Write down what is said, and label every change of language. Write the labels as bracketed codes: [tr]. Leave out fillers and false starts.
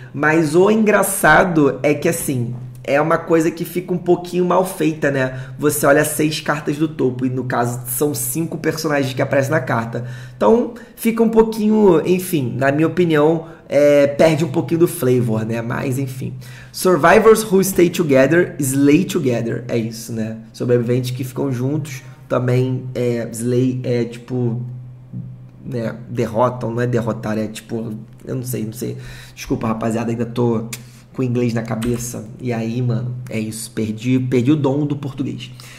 [pt] Mas o engraçado é que, assim, é uma coisa que fica um pouquinho mal feita, né? Você olha seis cartas do topo e, no caso, são cinco personagens que aparecem na carta. Então, fica um pouquinho, enfim, na minha opinião, perde um pouquinho do flavor, né? Mas, enfim. [en] Survivors who stay together, slay together. [pt] É isso, né? Sobreviventes que ficam juntos. Também é slay, é tipo, né, derrotam, não é derrotar, é tipo, eu não sei, não sei. Desculpa, rapaziada, ainda tô com inglês na cabeça. E aí, mano, é isso, perdi o dom do português.